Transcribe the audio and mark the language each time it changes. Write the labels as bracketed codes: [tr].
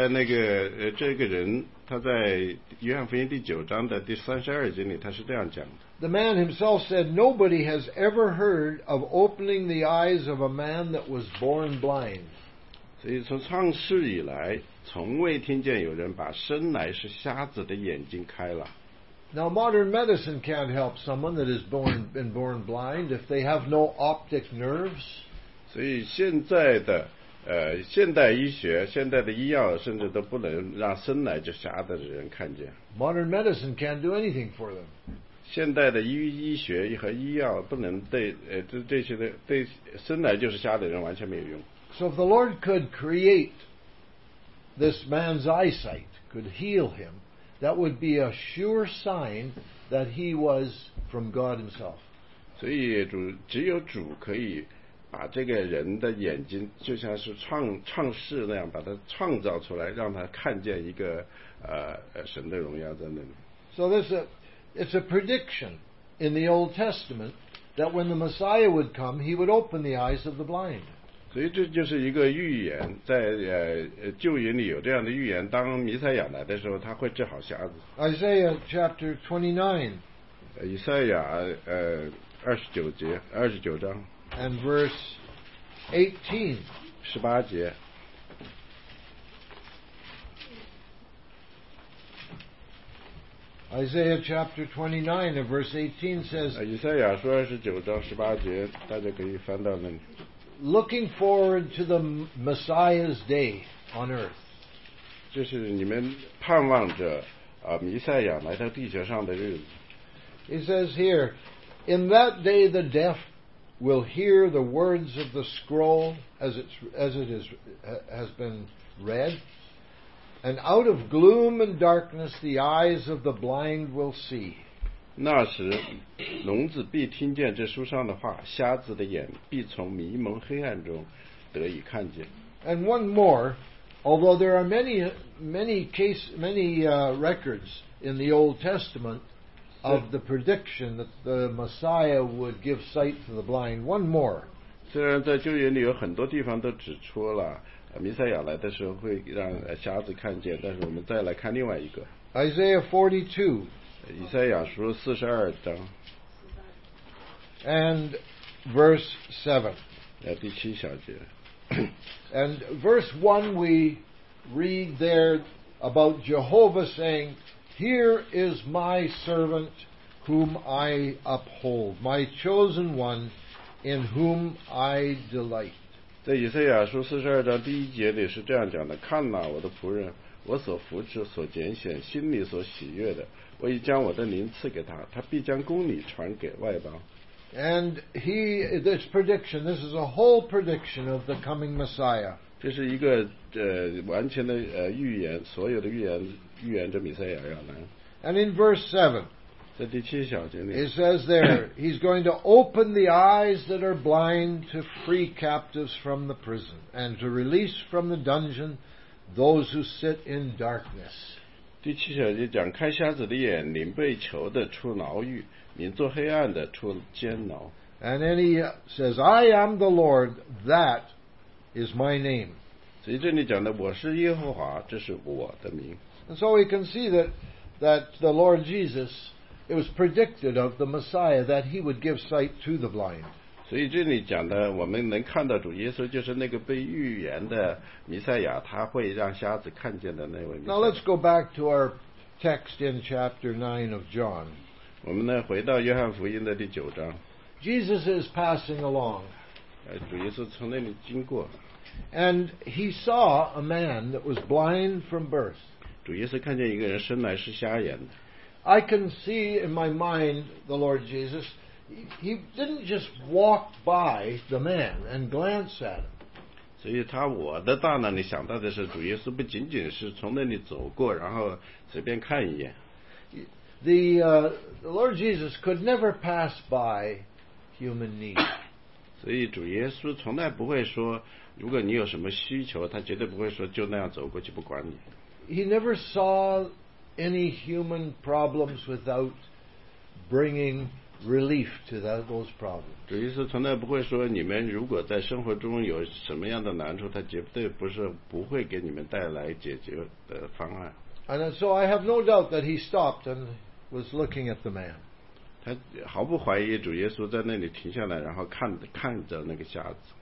[zh] 在那个这个人，他在约翰福音第九章的第三十二节里，他是这样讲的。 [en] The man himself said, "Nobody has ever heard of opening the eyes of a man that was born blind." [zh] 所以从创世以来，从未听见有人把生来是瞎子的眼睛开了。 [en] Now modern medicine can't help someone that has been born blind if they have no optic nerves. [zh] 所以现在的现代医学现代的医药甚至都不能让生来就瞎的人看见。 [en] Modern medicine can't do anything for them. [zh] 现代的医学和医药不能对这些的对生来就是瞎的人完全没有用。 [en] So if the Lord could create this man's eyesight, could heal him, That would be a sure sign that he was from God himself. [zh] 所以主只有主可以把这个人的眼睛就像是创世那样把它创造出来，让他看见一个神的荣耀在那里。 [en] So this it's a prediction in the Old Testament that when the Messiah would come, he would open the eyes of the blind. [zh] 所以这就是一个预言，在旧约里有这样的预言，当弥赛亚来的时候，他会治好瞎子。 [en] Isaiah chapter 29. [zh] 以赛亚二十九章。 [en] And verse 18. [zh] 十八节。 [en] Isaiah chapter 29 and verse 18 says, [zh] 以赛亚书二十九章十八节，大家可以翻到那里。 [en] Looking forward to the Messiah's day on earth. [zh] 就是你们盼望着弥赛亚来到地球上的日子。 [en] He says here, in that day the deaf will hear the words of the scroll as it has been read. And out of gloom and darkness, the eyes of the blind will see. [zh] 那时，聋子必听见这书上的话，瞎子的眼必从迷蒙黑暗中得以看见。 [en] And one more, although there are many records in the Old Testament of the prediction that the Messiah would give sight to the blind, one more. [zh] 虽然在旧约里有很多地方都指出了。弥赛亚来的时候会让瞎子看见，但是我们再来看另外一个。 [en] Isaiah 42。 [zh] 以赛亚书四十二章。 [en] And verse 7。 [zh] 第七小节。 [en] And verse 1 we read there about Jehovah saying, "Here is my servant whom I uphold, my chosen one in whom I delight." [zh] 在以赛亚书四十二章第一节里是这样讲的：“看哪，我的仆人，我所扶持、所拣选、心里所喜悦的，我已将我的灵赐给他，他必将公理传给外邦。” [en] And he, this prediction, this is a whole prediction of the coming Messiah. [zh] 这是一个完全的预言，所有的预言着弥赛亚要来。 [en] And in verse 7. [zh] 在第七小节里 [en] it says there he's going to open the eyes that are blind to free captives from the prison and to release from the dungeon those who sit in darkness. [zh] 第七小节讲开瞎子的眼领被囚的出牢狱领坐黑暗的出监牢 [en] and then he says I am the Lord that is my name. [zh] 所以这里讲的我是耶和华这是我的名 [en] and so we can see that the Lord JesusIt was predicted of the Messiah that he would give sight to the blind. [zh] 所以这里讲的，我们能看到主耶稣就是那个被预言的弥赛亚，他会让瞎子看见的那位弥赛亚。 [en] Now let's go back to our text in chapter 9 of John. [zh] 我们呢回到约翰福音的第九章。 [en] Jesus is passing along. [zh] 主耶稣从那里经过。 [en] And he saw a man that was blind from birth. [zh] 主耶稣看见一个人生来是瞎眼的。 [en] I can see in my mind the Lord Jesus. He didn't just walk by the man and glance at him. [zh] 所以他我的大脑里想到的是主耶稣不仅仅是从那里走过然后随便看一眼。 [en] The Lord Jesus could never pass by human need. [zh] 所以主耶稣从来不会说如果你有什么需求他绝对不会说就那样走过去不管你。 [en] He never saw... any human problems without bringing relief to those problems. [zh] 主耶稣从来不会说你们如果在生活中有什么样的难处他绝对不是不会给你们带来解决的方案。 [en] And so I have no doubt that he stopped and was looking at the man. [zh] 他毫不怀疑主耶稣在那里停下来然后看着那个瞎子。